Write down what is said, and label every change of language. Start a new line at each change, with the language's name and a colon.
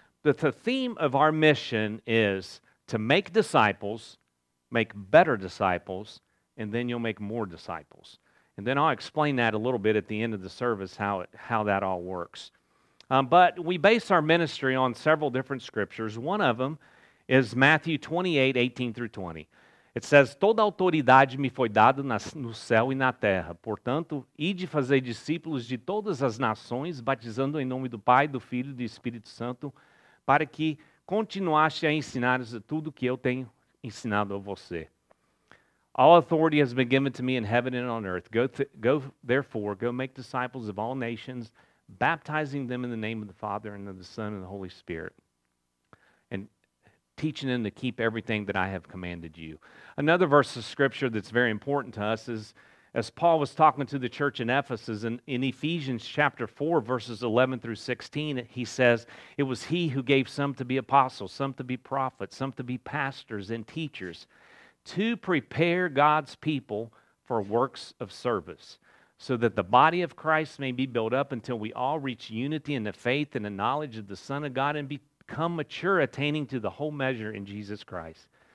English: But the theme of our mission is to make disciples, make better disciples, and then you'll make more disciples. And then I'll explain that a little bit at the end of the service, how that all works. But we base our ministry on several different scriptures. One of them is Matthew 28, 18 through 20.
Portuguese: It says, "Toda autoridade me foi dada no céu e na terra. Portanto, ide fazer discípulos de todas as nações, batizando em nome do Pai, do Filho e do Espírito Santo, para que continuaste a ensinar tudo que eu tenho ensinado a você.
English: All authority has been given to me in heaven and on earth. Go, therefore, make disciples of all nations, baptizing them in the name of the Father and of the Son and the Holy Spirit, and teaching them to keep everything that I have commanded you." Another verse of Scripture that's very important to us is, as Paul was talking to the church in Ephesus, in Ephesians chapter 4, verses 11 through 16, he says, "It was he who gave some to be apostles, some to be prophets, some to be pastors and teachers, to prepare God's people for works of service, so that the body of Christ may be built up until we all reach unity in the faith and the knowledge of the Son of God and become mature, attaining to the whole measure in Jesus Christ.